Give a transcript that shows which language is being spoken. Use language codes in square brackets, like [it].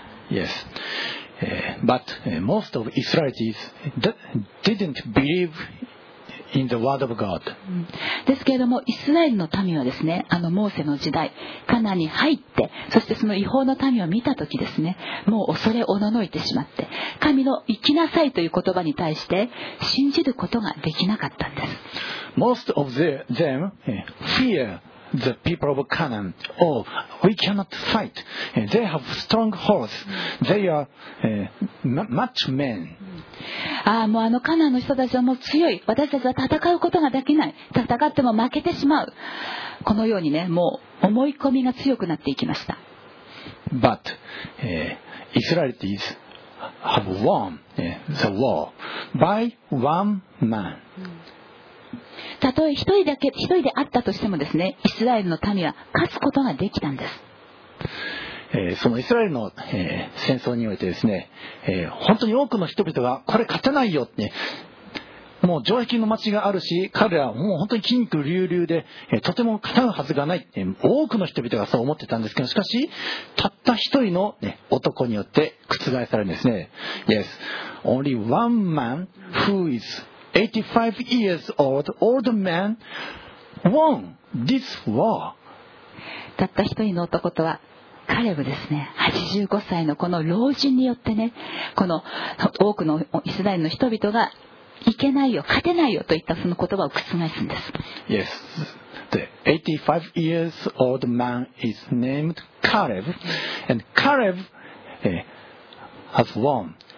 [en] Yes. But most of Israelites didn't believe in the word of God. [ja] ですけれどもイスラエルの民はですね、あのモーセの時代カナンに入って、そしてその異邦の民を見た時ですね、もう恐れおののいてしまって、神の行きなさいという言葉に対して信じることができなかったんです。 [en] Most of them fear the people of Canaan. Oh, we cannot fight. They have strong horses. They are much men. [ja] ああ、もうあのカナンの人たちはもう強い。私たちは戦うことができない。戦っても負けてしまう。このようにね、もう思い込みが強くなっていきました。 [en] But Israelites have won the war by one man. [ja] たとえ一人であったとしてもですね、イスラエルの民は勝つことができたんです。そのイスラエルの、戦争においてですね、本当に多くの人々がこれ勝てないよって、もう城壁の町があるし、彼らはもう本当に筋肉隆々で、とても勝たうはずがないって、多くの人々がそう思ってたんですけど、しかし、たった一人の、ね、男によって覆されたんですね。 [en] Yes, only one man who is 85 years old, old man won this war. [ja] たった一人の男とは、カレブですね、85歳のこの老人によってね、この多くのイスラエルの人々が、いけないよ、勝てないよといったその言葉を覆すんです。 [en] Yes, the 85 years old man is named Caleb, and Caleb has won.